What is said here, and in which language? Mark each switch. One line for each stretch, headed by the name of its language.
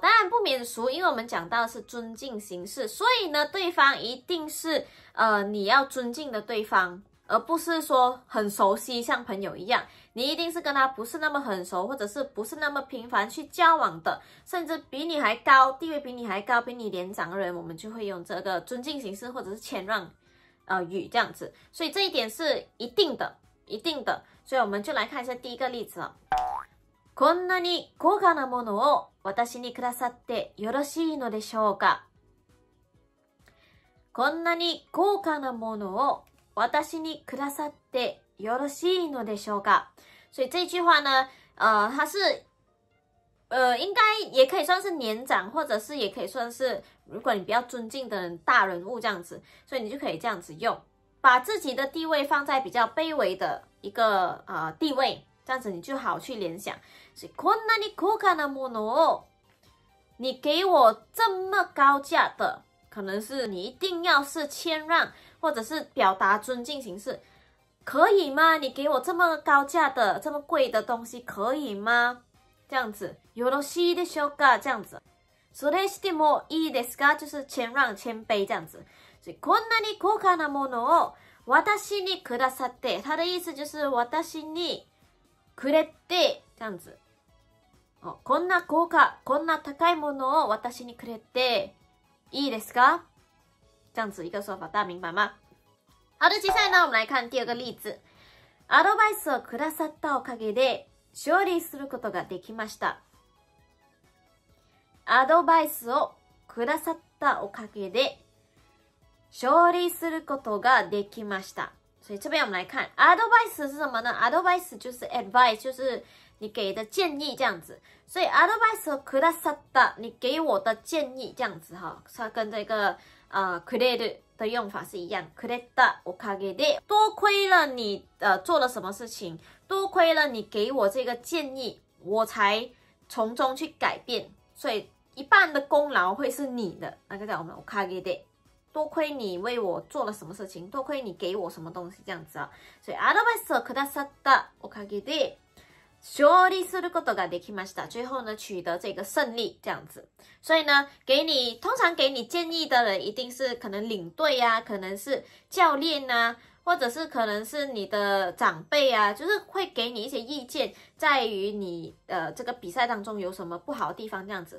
Chinese: 当然不免俗，因为我们讲到的是尊敬形式，所以呢对方一定是你要尊敬的对方，而不是说很熟悉像朋友一样，你一定是跟他不是那么很熟，或者是不是那么频繁去交往的，甚至比你还高，地位比你还高，比你年长的人，我们就会用这个尊敬形式或者是谦让语这样子。所以这一点是一定的，一定的。所以我们就来看一下第一个例子哦。
Japanese: こんなに高価なものを私にくださってよろしいのでしょうか。こんなに高価なものを私にくださってよろしいのでしょうか。
Chinese: 所以这句话呢它是应该也可以算是年长，或者是也可以算是如果你比较尊敬的人，大人物这样子，所以你就可以这样子用，把自己的地位放在比较卑微的一个地位，这样子你就好去联想。所以
Japanese: こんなに高価なものを，
Chinese: 你给我这么高价的，可能是你一定要是谦让，或者是表达尊敬形式，可以吗？你给我这么高价的、这么贵的东西，可以吗？这样子，
Japanese: よろしいでしょうか？
Chinese: 这样子，
Japanese: それしてもいいですか？
Chinese: 就是谦让、谦卑这样子。所以
Japanese: こんなに高価なものを私にくださって，
Chinese: 他的意思就是
Japanese: 私にくれて
Chinese: 这样子。
Japanese: 哦，こんな高価、こんな高いものを私にくれていいですか？
Chinese: 这样子一个说法，大家明白吗？好的，接下来呢我们来看第二个例子。
Japanese: アドバイスをくださったおかげで勝利することができました。アドバイスをくださったおかげで勝利することができました。
Chinese: 所以这边我们来看アドバイス是什么呢？アドバイス就是 advice， 就是你给的建议这样子。所以
Japanese: アドバイスをくださった，
Chinese: 你给我的建议这样子哈，它跟这个くれる的用法是一样。
Japanese: くれたおかげで，
Chinese: 多亏了你做了什么事情，多亏了你给我这个建议，我才从中去改变。所以一半的功劳会是你的，那个叫我们おかげで。多亏你为我做了什么事情，多亏你给我什么东西这样子啊。所以
Japanese: アドバイスをくださったおかげで勝利することができました。
Chinese: 最后呢，取得这个胜利这样子。所以呢，给你通常给你建议的人一定是可能领队啊，可能是教练啊，或者是可能是你的长辈啊，就是会给你一些意见，在于你这个比赛当中有什么不好的地方这样子。